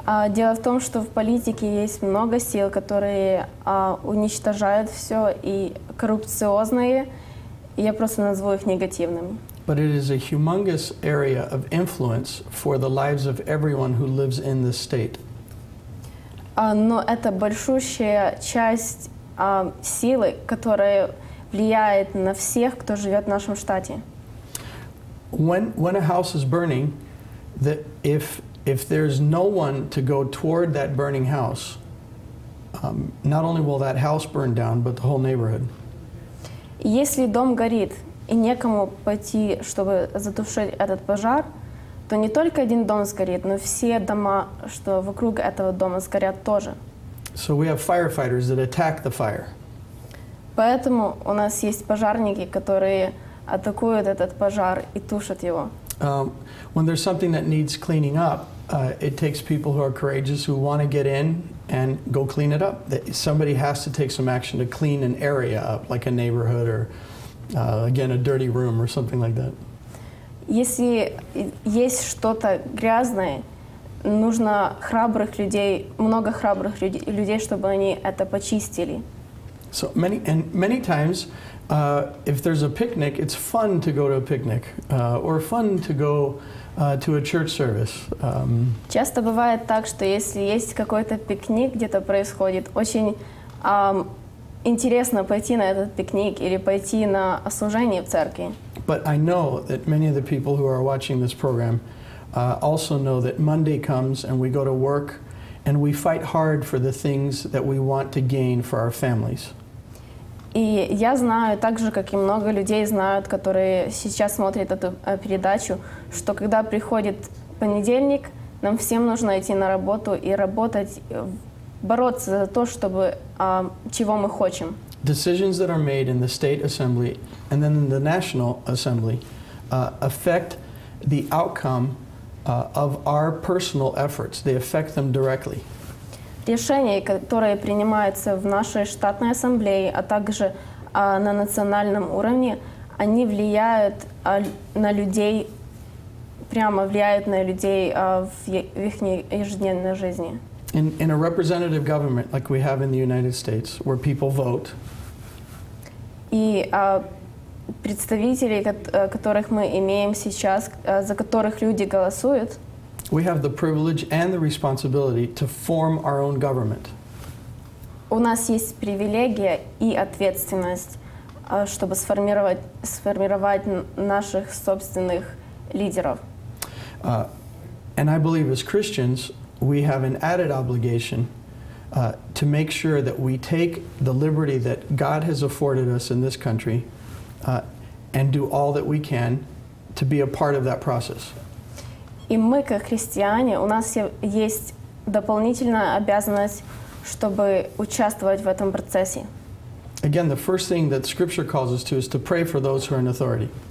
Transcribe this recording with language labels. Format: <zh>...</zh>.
<ru>Дело в том, что в политике есть много сил, которые уничтожают все и коррупциозные. Я просто назову их негативными.</ru> <en>But it is a humongous area of influence for the lives of everyone who lives in this state.</en> <ru>Но это большущая часть силы, которая влияет на всех, кто живет в нашем штате.</ru> <en>When a house is burning, that if there's no one to go toward that burning house, Not only will that house burn down, but the whole neighborhood.</en> <ru>Если дом горит и некому пойти, чтобы затушить этот пожар, то не только один дом сгорит, но все дома, что вокруг этого дома, сгорят тоже.</ru> <en>So we have firefighters that attack the fire.</en> <ru>Поэтому у нас есть пожарники, которые атакуют этот пожар и тушат его.</ru> <en>When there's something that needs cleaning up, it takes people who are courageous who want to get in and go clean it up. Somebody has to take some action to clean an area up, like a neighborhood or, again, a dirty room or something like that.</en> <ru>Если есть что-то грязное, нужно храбрых людей, много храбрых людей, чтобы они это почистили.</ru> <en>So many times, if there's a picnic, it's fun to go to a picnic, or fun to go to a church service.</en> <ru>Часто бывает так, что если есть какой-то пикник где-то происходит, очень интересно пойти на этот пикник или пойти на служение в церкви.</ru> <en>But I know that many of the people who are watching this program also know that Monday comes and we go to work and we fight hard for the things that we want to gain for our families.</en> <ru>И я знаю, так же, как и много людей знают, которые сейчас смотрят эту передачу, что когда приходит понедельник, нам всем нужно идти на работу и работать, бороться за то, чтобы, чего мы хотим.</ru> <en>Decisions that are made in the State Assembly and then in the National Assembly affect the outcome of our personal efforts. They affect them directly.</en> <ru>Решения, которые принимаются в нашей штатной ассамблее, а также на национальном уровне, они влияют на людей, прямо влияют на людей в их ежедневной жизни.</ru> <en>In a representative government, like we have in the United States, where people vote,</en> <ru>и представителей, которых мы имеем сейчас, за которых люди голосуют,</ru> <en>we have the privilege and the responsibility to form our own government.</en> <ru>У нас есть привилегия и ответственность, чтобы сформировать наших собственных лидеров.</ru> <en>And I believe as Christians, we have an added obligation to make sure that we take the liberty that God has afforded us in this country and do all that we can to be a part of that process.</en> <ru>И мы, как христиане, у нас есть дополнительная обязанность, чтобы участвовать в этом процессе.</ru> <en>Again, the first thing that Scripture calls us to is to pray for those who are in authority.</en>